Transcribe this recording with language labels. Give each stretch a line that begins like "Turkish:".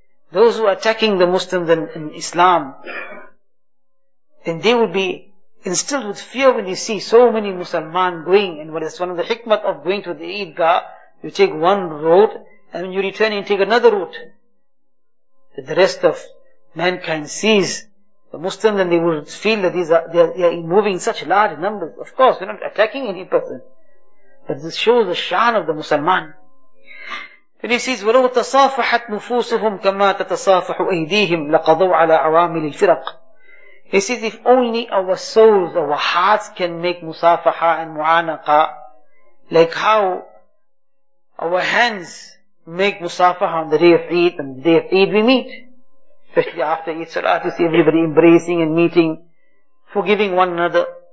English: Those who are attacking the Muslims and Islam, then they will be instilled with fear when you see so many Muslims going. And what is one of the hikmat of going to the Eidgah, you take one road and when you return, you take another route. That the rest of mankind sees the Muslims, and they will feel that they are moving such large numbers. Of course, we're not attacking any person, but this shows the shan of the Musliman. And he says,
Arabic: وَلَوْ تَصَافَحَتْ نُفُوسُهُمْ كَمَّا تَتَصَافَحُ أَيْدِيهِمْ لَقَضَوْ عَلَىٰ عَوَامِلِ الْفِرَقِ.
English: He says, if only our souls, our hearts can make musafaha and mu'anaqa, like how our hands make musafaha on the day of Eid, and the day of Eid we meet. Especially after Eid Salat, you see everybody embracing and meeting, forgiving one another.